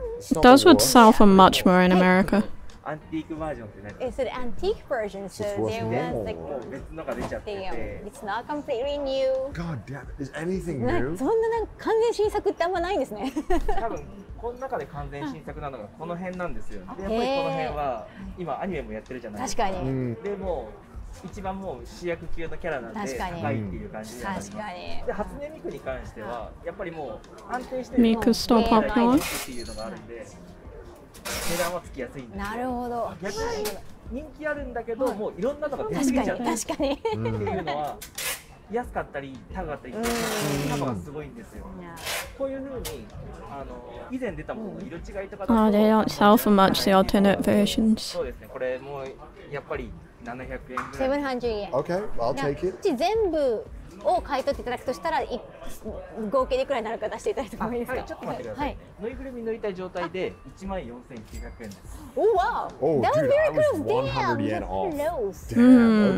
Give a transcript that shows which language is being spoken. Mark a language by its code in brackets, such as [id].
[en] It does would sell for much more in America. It's an antique version, so it's not completely new. God damn, is anything new? [ja] そんな完全新作ってあんまないんですね。この辺なんですよ。やっぱりこの辺は今アニメもやってるじゃないですか。確かに。でも一番もう主役級のキャラなんで高いっていう感じで。確かに。で初音ミクに関してはやっぱりもう安定してる。ミクスターパープラン。っていうのがあるんで。値段はつきやすいんですよ。なるほど。逆に人気あるんだけど、もういろんなのが出すぎちゃって。確かに。っていうのは安かったり高かったりっていうのがすごいんですよ。こういうふうに以前出たものの色違いとかだと。 [en] They don't sell for much the alternate versions。 [ja] そうですね。これもやっぱり700円ぐらい。 700円。 [en] Okay, I'll take it。 [ja] 全部。を買い取っていただくとしたら合計でいくらになるか出していただいてもいいですか。はい、ちょっと待ってください。はい、ぬいぐるみ乗りたい状態で14,900円です。 おわ、 [en] oh, wow. oh, That was very close. Damn, that was close. Damn.